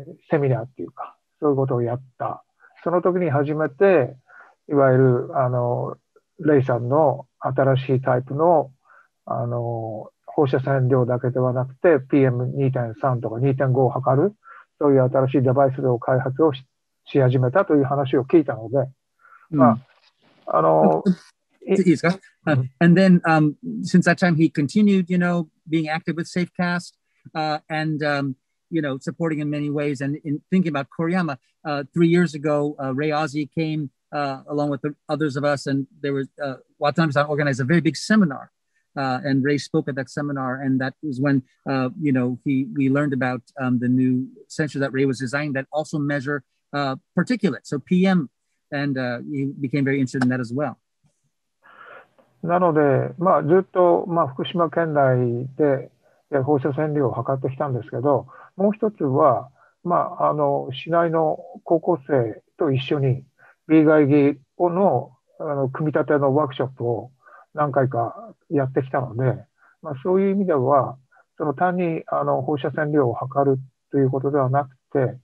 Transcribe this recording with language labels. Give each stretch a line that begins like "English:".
Japanese: セミナーっていうか、そういうことをやった、その時に初めて、いわゆるレイさんの新しいタイプの、放射線量だけではなくて、PM2.3 とか 2.5 を測る。そういう新しいデバイスを開発を し始めたという話を聞いたので、いいですか。
English: And then, since that time, he continued, you know, being active with Safecast, and, you know, supporting in many ways. And in thinking about Koriyama, 3 years ago, Ray Ozzie came, along with others of us, and there was, Watanabe-san organized a very big seminar. And Ray spoke at that seminar, and that was when, you know, we learned about the new sensor that Ray was designing that also measure particulate, so PM, and he became very interested in that as well.
Japanese: なので、まあ、ずっと、まあ、福島県内で放射線量を測ってきたんですけど、もう一つは、まあ、市内の高校生と一緒に B 外技の、組み立てのワークショップを何回かやってきたので、まあ、そういう意味では、その単に放射線量を測るということではなくて、